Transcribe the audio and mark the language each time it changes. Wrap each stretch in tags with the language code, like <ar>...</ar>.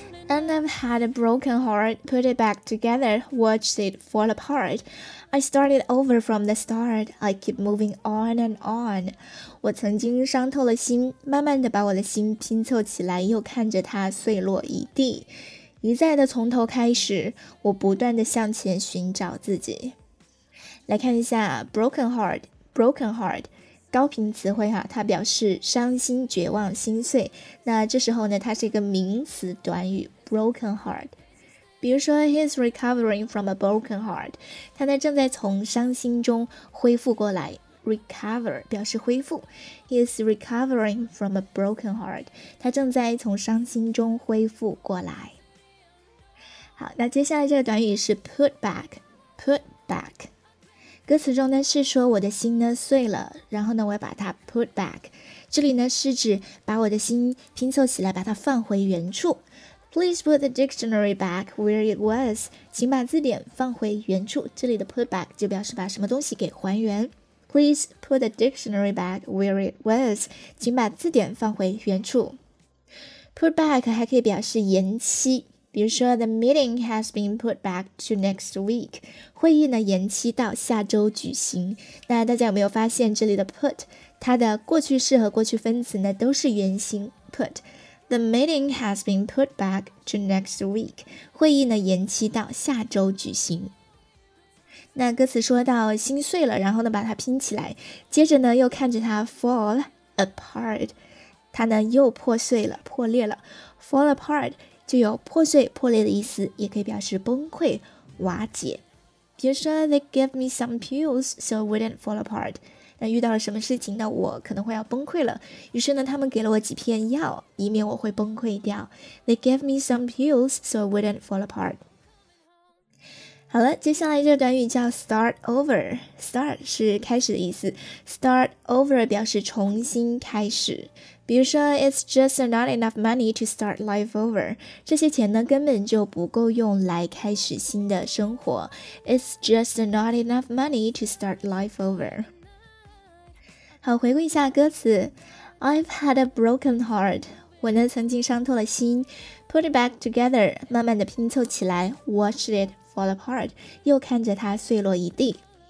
<en>And I've had a broken heart, put it back together, watched it fall apart. I started over from the start, I keep moving on and on.</en> <zh>我曾经伤透了心，慢慢地把我的心拼凑起来，又看着它碎落一地。一再地从头开始，我不断地向前寻找自己。来看一下 broken heart, broken heart. 高频词汇哈，它表示伤心、绝望、心碎。那这时候呢，它是一个名词短语 broken heart。比如说 ，</zh> <en>he's recovering from a broken heart，</en> <zh>他呢正在从伤心中恢复过来。 recover 表示恢复 ，</zh> <en>he's recovering from a broken heart，</en> <zh>他正在从伤心中恢复过来。好，那接下来这个短语是 put back， put back。歌词中呢是说我的心呢碎了，然后呢我要把它 put back， 这里呢是指把我的心拼凑起来，把它放回原处。</zh> <en>Please put the dictionary back where it was，</en> <zh>请把字典放回原处，这里的 put back 就表示把什么东西给还原。</zh> <en>Please put the dictionary back where it was，</en> <zh>请把字典放回原处。 put back 还可以表示延期，比如说</zh> <en>The meeting has been put back to next week，</en> <zh>会议呢延期到下周举行。那大家有没有发现这里的 put， 它的过去式和过去分词呢都是原形 put。</zh> <en>The meeting has been put back to next week，</en> <zh>会议呢延期到下周举行。那歌词说到心碎了，然后呢把它拼起来，接着呢又看着它 fall apart， 它呢又破碎了，破裂了。 fall apart就有破碎、破裂的意思，也可以表示崩溃、瓦解。比如说</zh> <en>They gave me some pills so it wouldn't fall apart，</en> <zh>那遇到了什么事情呢，我可能会要崩溃了，于是呢他们给了我几片药，以免我会崩溃掉。</zh> <en>They gave me some pills so it wouldn't fall apart。</en> <zh>好了，接下来这个短语叫 start over。start 是开始的意思， start over 表示重新开始。比如说</zh> <en>It's just not enough money to start life over，</en> <zh>这些钱呢根本就不够用来开始新的生活。</zh> <en>It's just not enough money to start life over。</en> <zh>好，回顾一下歌词。</zh> <en>I've had a broken heart，</en> <zh>我呢曾经伤透了心。</zh> <en>Put it back together，</en> <zh>慢慢地拼凑起来。</zh> <en>Watch it fall apart，</en> <zh>又看着它碎落一地。</zh>